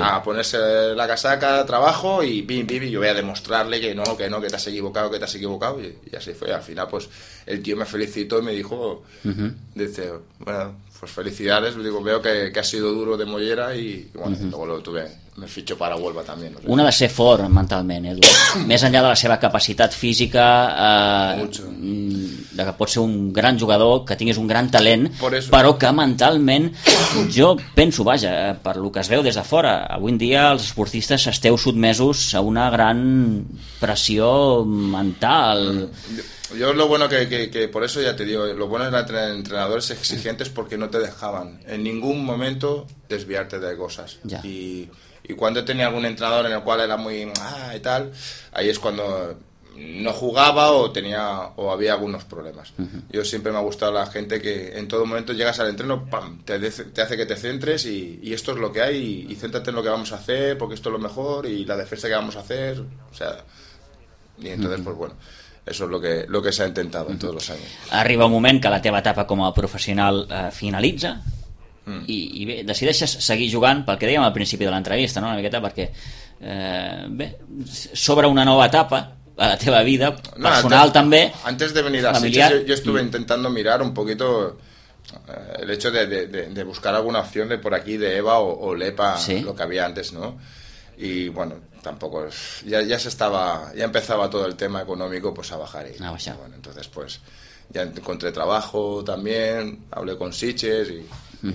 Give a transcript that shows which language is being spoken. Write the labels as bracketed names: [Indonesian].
[Spanish] A ponerse la casaca, trabajo y bim, bim, bim, yo voy a demostrarle que no, que te has equivocado, Y así fue. Al final, pues, el tío me felicitó y me dijo, dice, bueno, pues felicidades. Digo, veo que ha sido duro de mollera y bueno, luego lo tuve. [Catalan] Me fitxo per a Huelva també. No sé. Un ha de ser fort mentalment, Edu. Més enllà de la seva capacitat física, de que pot ser un gran jugador, que tinguis un gran talent, però que mentalment, jo penso, vaja, per lo que es veu des de fora, avui en dia els esportistes esteu sotmesos a una gran pressió mental. [Spanish] Yo lo bueno que por eso ya te digo, lo bueno era tener entrenadores exigentes porque no te dejaban en ningún momento desviarte de cosas. Ya. Y cuando tenía algún entrenador en el cual era muy y tal, ahí es cuando no jugaba o tenía o había algunos problemas. Uh-huh. Yo siempre me ha gustado la gente que en todo momento llegas al entreno, pam, te hace que te centres y esto es lo que hay y céntrate en lo que vamos a hacer porque esto es lo mejor y la defensa que vamos a hacer, o sea, y entonces uh-huh. pues bueno, eso es lo que se ha intentado en uh-huh. todos los años. [Catalan] Arriba un moment que la teva etapa com a professional finalitza. I bé, decideixes seguir jugant pel que dèiem al principi de l'entrevista, no? Una miqueta perquè bé, s'obre una nova etapa a la teva vida personal, no, també. [Spanish] Antes de venir a familiar, Sitges, yo estuve intentando mirar un poquito el hecho de buscar alguna opción de por aquí, de EVA o LEPA, sí. Lo que había antes, ¿no? Y bueno, tampoco, ya se estaba, ya empezaba todo el tema económico pues a bajar y, bueno, entonces pues ya encontré trabajo también, hablé con Sitges y uh-huh.